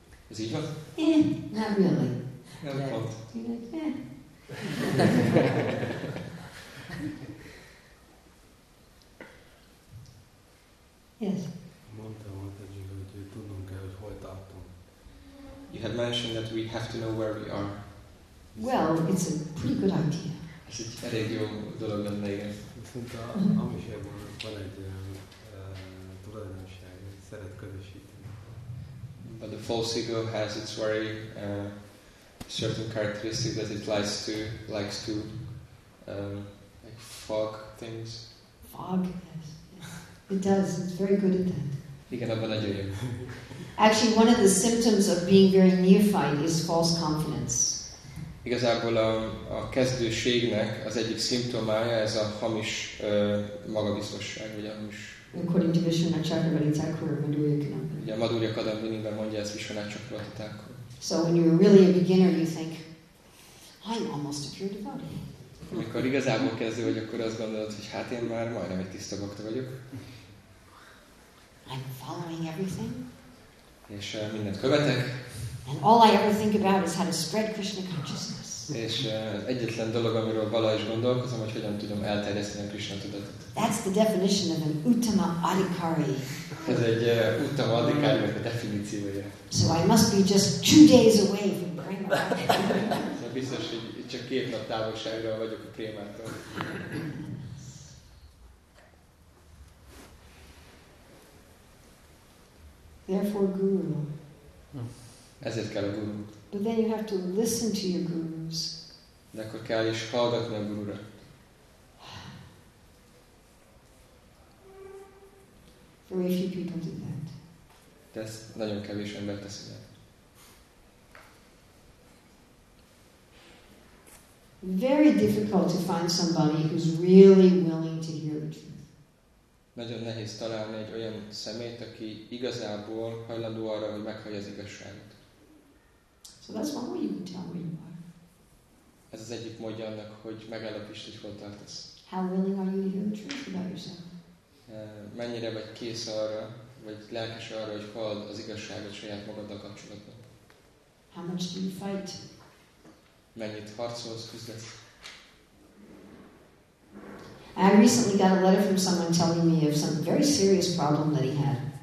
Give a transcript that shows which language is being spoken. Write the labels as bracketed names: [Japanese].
[Hungarian] Ez így van? [English] Not really. [Hungarian] Nem pont. [English] You're like, yes. [Hungarian] Mondtam, hogy tudnunk kell, hogy hol tartunk. [English] You had mentioned that we have to know where we are. Well, it's a pretty good idea. [Hungarian] Ez egy elég jó dolog lenne, igen. Viszont a hamiságban van egy tulajdonság, hogy szeret közösíteni. [English] But the false ego has its very certain characteristic that it likes to fog things. Fog, yes. It does. It's very good at that. [Hungarian] Igen, abban nagyon jó. [English] Actually, one of the symptoms of being very neophyte is false confidence. [Hungarian] Igazából a kezdőségnek az egyik szimptomája ez a hamis magabiztosság, vagy a hamis. [English] According to Vishwanath Chakravarti Thakur, Madhurya Kadambini. [Hungarian] Ugye a Madhurya Kadambinében mondja ezt Vishwanath Chakravarti Thakur. [English] So when you're really a beginner, you think, I'm almost a pure devotee. [Hungarian] Amikor igazából kezdő vagy, akkor azt gondolod, hogy hát én már majdnem egy tiszta bhakta vagyok. [English] I'm following everything. [Hungarian] És mindent követek. [English] And all I ever think about is how to spread Krishna consciousness. [Hungarian] És egyetlen dolog, amiről vala is gondolkozom, hogy hogyan tudom elterjeszteni a Krishna tudatot. [English] That's the definition of an uttama adhikari. [Hungarian] Ez egy uttama adhikárinak a definíciója. [English] So I must be just 2 days away from Prema. [Hungarian] Szóval biztos, hogy csak 2 nap távolságra vagyok a Prémától. [English] Therefore, guru. [Hungarian] Ezért kell a guru. [English] But then you have to listen to your gurus. [Hungarian] De akkor kell is hallgatni a gurura. [English] Very few people do that. [Hungarian] De ezt nagyon kevés ember teszi meg. [English] Very difficult to find somebody who's really willing to hear the truth. [Hungarian] Nagyon nehéz találni egy olyan szemét, aki igazából hajlandó arra, hogy meghallja az igazságot. [English] So that's one way you can tell where you are. [Hungarian] Ez az egyik módja annak, hogy megállapítsd, hogy hol tartasz. [English] How willing are you to hear the truth about yourself? [Hungarian] Mennyire vagy kész arra, vagy lelkes arra, hogy halld az igazságot saját magaddal kapcsolatban? [English] How much do you fight? [Hungarian] Mennyit harcolsz, küzdesz? [English] I recently got a letter from someone telling me of some very serious problem that he had.